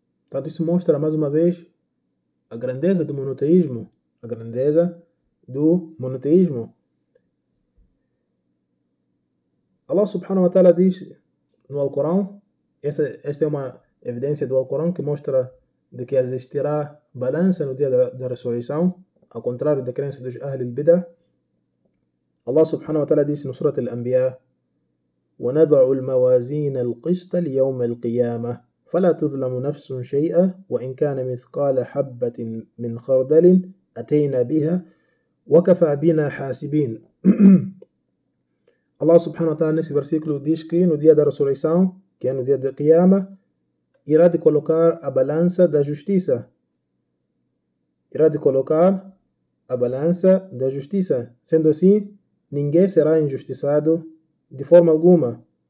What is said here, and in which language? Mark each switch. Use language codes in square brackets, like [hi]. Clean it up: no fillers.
[pt] Portanto, isso mostra mais uma vez a grandeza do monoteísmo, a grandeza do monoteísmo. Allah subhanahu wa ta'ala diz no Alcorão, esta é uma evidência do Alcorão que mostra de que existirá balança no dia da ressurreição, ao contrário da crença dos Ahlul Bidah. Allah subhanahu wa ta'ala disse no Surat Al-Anbiya: [ar] وَنَضَعُ الْمَوَازِينَ الْقِسْطَ لِيَوْمَ الْقِيَامَةِ فَلَا تُظْلَمُ نَفْسٌ شَيْئًا وَإِنْ كَانَ مِثْقَالَ حَبَّةٍ مِنْ خَرْدَلٍ أَتَيْنَا بِهَا وَكَفَى بِنَا حَاسِبِينَ. [pt] Allah subhanahu wa ta'ala nesse versículo diz que no dia da ressurreição, que é no dia da Qiyama, irá de colocar a balança da justiça. Irá de colocar a balança da justiça. Sendo assim, ninguém será injustiçado de forma alguma.